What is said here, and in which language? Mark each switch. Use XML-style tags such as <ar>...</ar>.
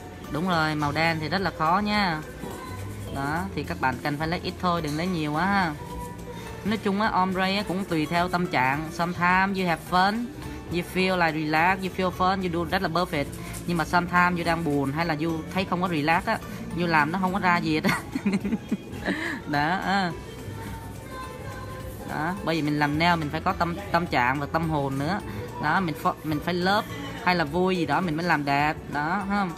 <vi>Đúng rồi, màu đen thì rất là khó nha. Đó, thì các bạn cần phải lấy ít thôi, đừng lấy nhiều quá ha. Nói chung á, ombre á cũng tùy theo tâm trạng.</vi> <en>Sometimes you have fun, you feel like relax, you feel fun, you do</en> <vi>rất là</vi> <en>perfect.</en> <vi>Nhưng mà</vi> <en>sometimes you</en> <vi>đang buồn hay là you thấy không có relax á, you làm nó không có ra gì hết. Đó. Đó, bây giờ mình làm nail mình phải có tâm trạng và tâm hồn nữa. Đó, mình phải love hay là vui gì đó mình mới làm đẹp. Đó, không?</vi>